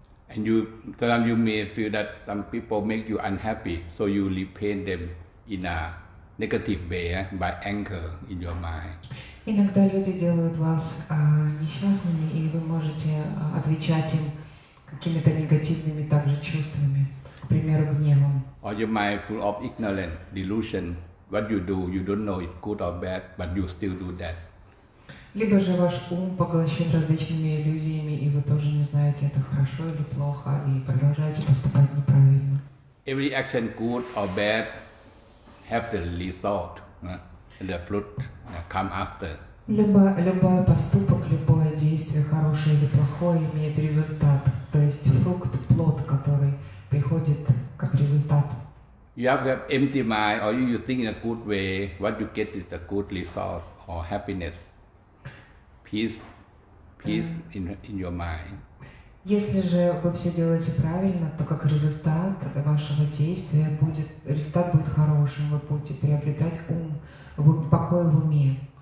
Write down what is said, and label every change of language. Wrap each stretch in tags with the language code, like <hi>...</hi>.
<en>And you, sometimes you may feel that some people make you unhappy, so you repay them in a negative way by anger in your mind.</en> <ru>Иногда люди делают вас несчастными, и вы можете отвечать им какими-то негативными также чувствами, к примеру, гневом.</ru> <en>Or your mind full of ignorance, delusion. What you do, you don't know if good or bad, but you still do that.</en> <ru>Либо же ваш ум поглощен различными иллюзиями, и вы тоже не знаете, это хорошо или плохо, и продолжаете поступать неправильно.</ru> <en>Every action, good or bad, have the result, the fruit come after.</en> <ru>Любой поступок, любое действие, хорошее или плохое, имеет результат, то есть фрукт, плод, который приходит как результат.</ru> <en>You have an empty mind, or you think in a good way, what you get is a good result or happiness. Peace in your mind.</en> <ru>Если же вы все делаете правильно, то как результат вашего действия будет, результат будет хорошим, вы будете приобретать ум, покой в уме.</ru>